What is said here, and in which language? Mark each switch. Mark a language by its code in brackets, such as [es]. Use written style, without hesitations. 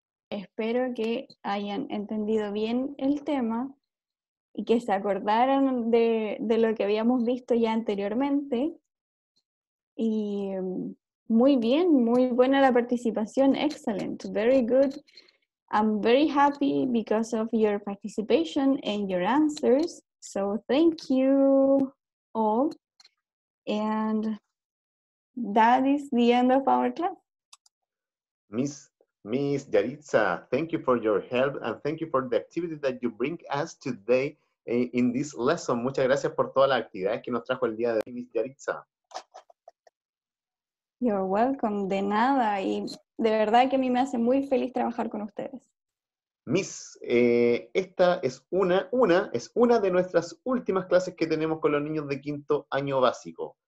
[es] Espero que hayan entendido bien el tema y que se acordaran de lo que habíamos visto ya anteriormente. Y muy bien, muy buena la participación, [en] excellent, very good. I'm very happy because of your participation and your answers. So thank you all. And that is the end of our class. Miss Yaritza, thank you for your help and thank you for the activity that you bring us today in this lesson. [es] Muchas gracias por todas las actividades que nos trajo el día de hoy, Miss Yaritza. [en] You're welcome, [es] de nada, y de verdad que a mí me hace muy feliz trabajar con ustedes. Miss, esta es una de nuestras últimas clases que tenemos con los niños de quinto año básico.